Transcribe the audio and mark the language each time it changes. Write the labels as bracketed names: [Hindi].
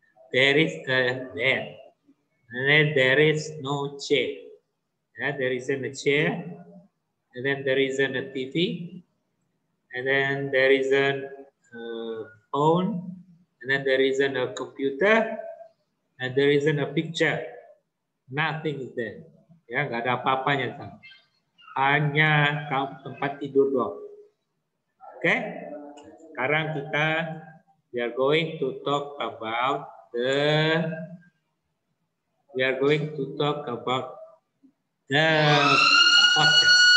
[English] There is a bed, and then there is no chair. Yeah, there isn't a chair, and then there isn't a TV, and then there isn't a phone, and then there isn't a computer, and there isn't a picture. Nothing is there. [Indonesian] Ya, nggak ada apa-apanya. Hanya tempat tidur doang. Oke? [English] Okay? [Indonesian] Sekarang kita, [English] we are going to talk about the hotel.